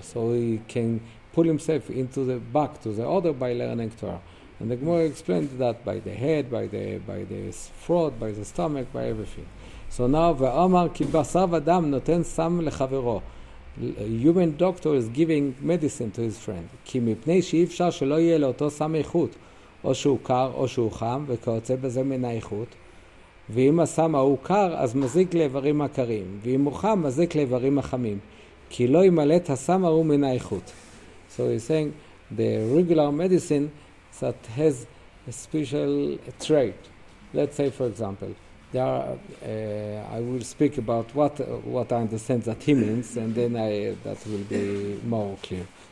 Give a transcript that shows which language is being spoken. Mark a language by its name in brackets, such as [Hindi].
[English] So he can pull himself into the back to the order by learning Torah. And the Gemara explained that by the head, by the throat, by the stomach, by everything. [Hebrew] So now, Ve'amar ki basar v'dam noten sam lechavero. [English] Human doctor is giving medicine to his friend. [Hebrew] Ki mipnei she'ifshar shelo yeh leoto sam eichut. או שהוא קר, או שהוא חם, וכיוצא בזה מן האיכות. ואם הסם ההוא קר, אז מזיק לאיברים הקרים. ואם הוא חם, מזיק לאיברים החמים. כי לא ימלא את הסם ההוא מן האיכות. [English] So he's saying, the regular medicine that has a special trait. Let's say, for example, I will speak about what I understand that he means, and then that will be more clear.